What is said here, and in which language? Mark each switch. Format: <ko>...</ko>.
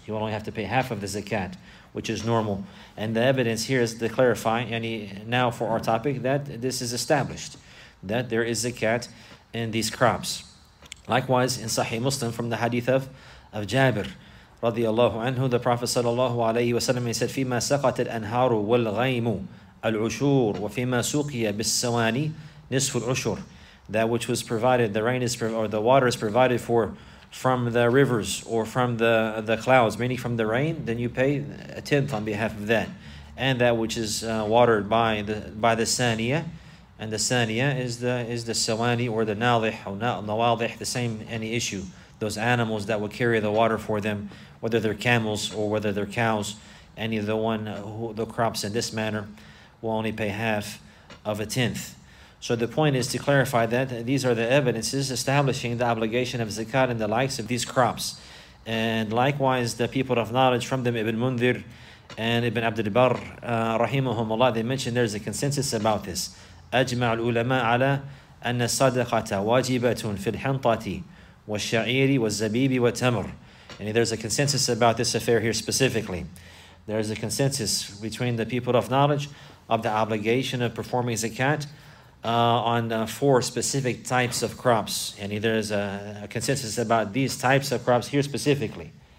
<en>You will only have to pay half of the zakat, which is normal. And the evidence here is to clarify, and now for our topic, that this is established, that there is zakat in these crops. Likewise, in Sahih Muslim, from the hadith of Jabir رضي الله عنه, the Prophet صلى الله عليه وسلم said,</en> <ar>فيما سقط الأنهار والغيم العشور وفيما سقيا بالسواني نصف العشور.</ar> <en>That which was provided, the rain is or the water is provided for from the rivers or from the clouds, meaning from the rain, then you pay a tenth on behalf of that. And that which is watered by the saniya, and the saniya is the sawani or the nalih or nawadih, the same any issue. Those animals that will carry the water for them, whether they're camels or whether they're cows, any of the one who the crops in this manner will only pay half of a tenth. So the point is to clarify that these are the evidences establishing the obligation of zakat and the likes of these crops. And likewise, the people of knowledge from them, Ibn Mundhir and Ibn Abd al-Barr, rahimahum Allah, they mentioned there's a consensus about this.</en> <ar>أجمع العلماء على أن الصدقة واجبة في الحنطة والشعير والزبيب والتمر.</ar> <en>And there's a consensus about this affair here specifically. There's a consensus between the people of knowledge of the obligation of performing zakat on four specific types of crops. And there's a consensus about these types of crops here specifically.</en>